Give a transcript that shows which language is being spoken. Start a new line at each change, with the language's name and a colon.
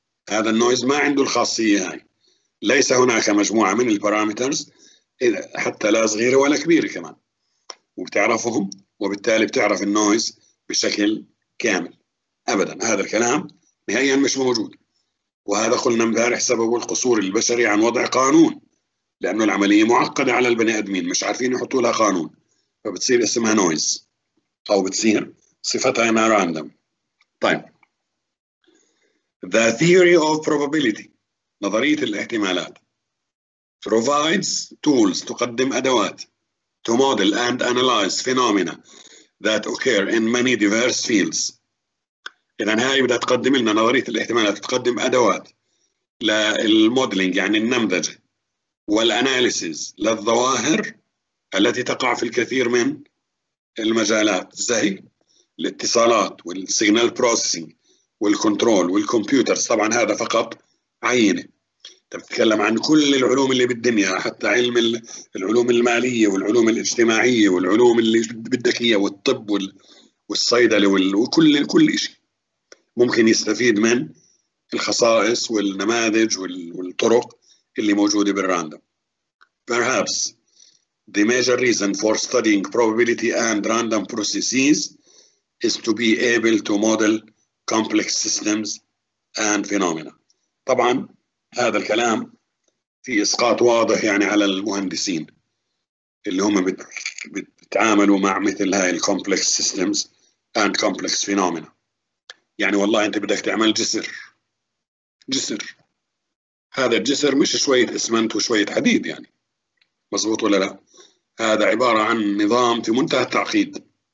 Arabic: هذا النويز ما عنده الخاصية هاي، ليس هناك مجموعة من البرامترز حتى لا صغيرة ولا كبيرة كمان، وبتعرفهم وبالتالي بتعرف النويز بشكل كامل. أبدا هذا الكلام نهائيا مش موجود، وهذا قلنا مبارح سبب القصور البشري عن وضع قانون لأنه العملية معقدة على البني أدمين مش عارفين يحطوا لها قانون، فبتصير اسمها نويز أو بتصير صفتها إنها راندم. طيب
English: The theory of probability،
Arabic: نظرية الاحتمالات،
English: provides tools،
Arabic: تقدم أدوات
English: to model and analyze phenomena that occur in many diverse fields.
Arabic: إذن هاي بدها تقدم لنا نظرية الاحتمالات، تقدم أدوات للموديلينج يعني النمذجة والاناليسز للظواهر التي تقع في الكثير من المجالات زي الاتصالات والسيجنال بروسيسنج والكنترول والكمبيوترز. طبعا هذا فقط عينه، تتكلم عن كل العلوم اللي بالدنيا، حتى علم العلوم الماليه والعلوم الاجتماعيه والعلوم اللي بدك اياها والطب والصيدله وكل شيء ممكن يستفيد من الخصائص والنماذج والطرق اللي موجودة بالراندم.
English: Perhaps the major reason for studying probability and random processes is to be able to model complex systems and phenomena.
Arabic: طبعا هذا الكلام في إسقاط واضح يعني على المهندسين اللي هم بتعاملوا مع مثل هاي
English: complex systems and complex phenomena.
Arabic: يعني والله انت بدك تعمل جسر، هذا الجسر مش شوية إسمنت وشوية حديد يعني، مظبوط ولا لا؟ هذا عبارة عن نظام في منتهى التعقيد.